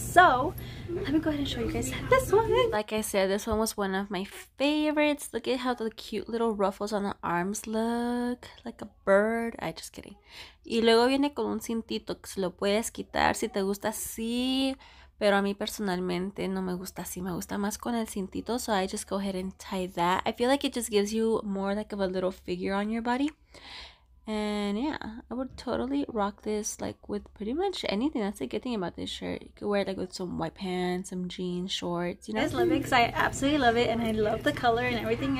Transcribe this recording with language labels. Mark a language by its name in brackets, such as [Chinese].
[English] So let me go ahead and show you guys this one. Like I said, this one was one of my favorites. Look at how the cute little ruffles on the arms look like a bird. I just kidding. [Spanish] Y luego viene con un cintito que se lo puedes quitar si te gusta así, pero a mí personalmente no me gusta así. Me gusta más con el cintito, [English] so I just go ahead and tie that. I feel like it just gives you more like of a little figure on your body. And yeah, I would totally rock this like with pretty much anything. That's the good thing about this shirt. You could wear it like with some white pants, some jeans, shorts, you know? I just love it because I absolutely love it and I love the color and everything.